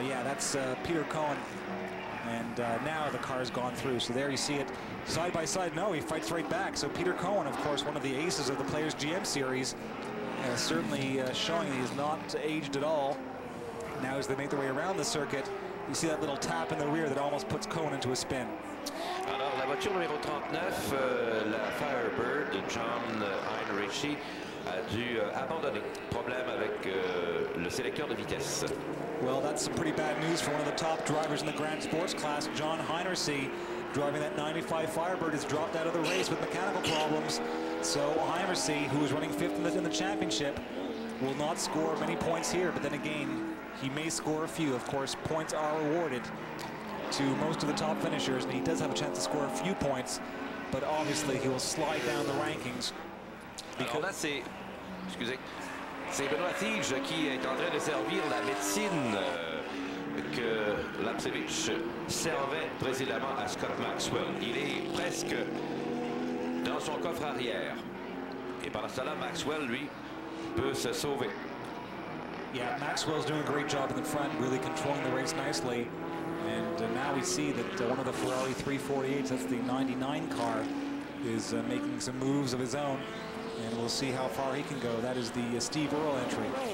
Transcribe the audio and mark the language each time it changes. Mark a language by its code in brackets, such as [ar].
[en] Yeah, that's Peter Cohen. And now the car has gone through. So there you see it side by side. No, he fights right back. So Peter Cohen, of course, one of the aces of the Players GM Series, certainly showing that he's not aged at all. Now as they make their way around the circuit, you see that little tap in the rear that almost puts Cohen into a spin. [fr] Alors, la voiture numéro 39, la Firebird de John Heinrichi, a dû abandonner. Problème avec le sélecteur de vitesse. [en] Well, that's some pretty bad news for one of the top drivers in the Grand Sports class, John Heinerse. Driving that 95 Firebird has dropped out of the race with mechanical problems. So Heinerse, who is running fifth in the championship, will not score many points here. But then again, he may score a few. Of course, points are awarded to most of the top finishers, and he does have a chance to score a few points. But obviously, he will slide down the rankings. [fr] Because alors là, c'est, excusez, c'est Benoît Tige qui est en train de servir la médecine que Lapsevich servait précédemment à Scott Maxwell. Il est presque dans son coffre arrière. Et par cela, Maxwell, lui, peut se sauver. [en] Yeah, Maxwell's doing a great job in the front, really controlling the race nicely. And now we see that one of the Ferrari 348s, that's the 99 car, is making some moves of his own. And we'll see how far he can go. That is the Steve Earle entry.